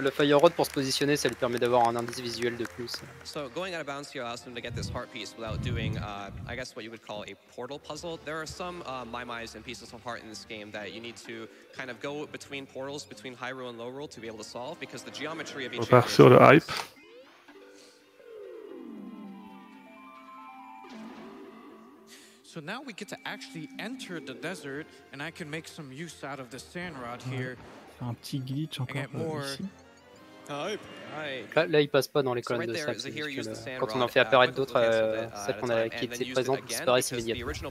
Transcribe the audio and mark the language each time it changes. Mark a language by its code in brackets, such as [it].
[fr] Le fire rod pour se positionner, ça lui permet d'avoir un indice visuel de plus. [en] So going out of bounds here allows him to get this heart piece without doing, I guess what you would call a portal puzzle. There are some Maimais and pieces of heart in this game that you need to kind of go between portals between Hyrule and Lowrul to be able to solve because the geometry of each. [fr] On part sur le hype. [en] So now we get to actually enter the desert and I can make some use out of the sand rod here. [fr] Un petit glitch encore ici. Là, là, il passe pas dans les colonnes de sac. Quand on en fait apparaître d'autres, celles qu'on a qui étaient présentes disparaissent immédiatement.